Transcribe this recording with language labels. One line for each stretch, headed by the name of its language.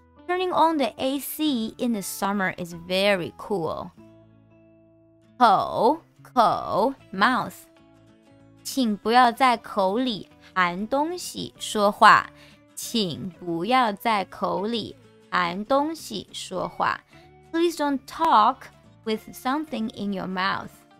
English: Turning on the AC in the summer is very cool.
Chinese: 口，口 ,
English: mouth.
Chinese: 请不要在口里含东西说话。请不要在口里含东西说话。
English: Please don't talk with something in your mouth.